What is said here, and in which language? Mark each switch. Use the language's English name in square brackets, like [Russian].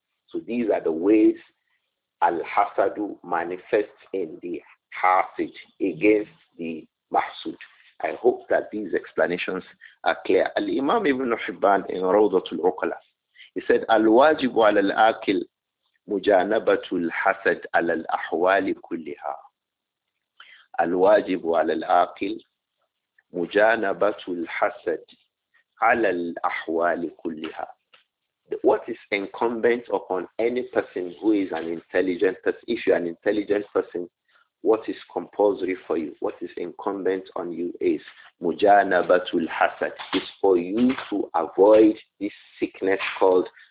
[English] So these are the ways al-hasadu manifests in the hasid against the mahsud. I hope that these explanations are clear. Al-Imam Ibn Hibban in Rawdatul Uqala, he said, [Arabic] al-wajibu ala al-akil مجانبة الحسد على الأحوال كلها. الواجب على العاقل مجانبة الحسد على الأحوال كلها. [English] What is incumbent upon any person who is an intelligent person? If you are an intelligent person, what is compulsory for you? What is incumbent on you is [Arabic] مجانبة الحسد. [English] It's for you to avoid this sickness called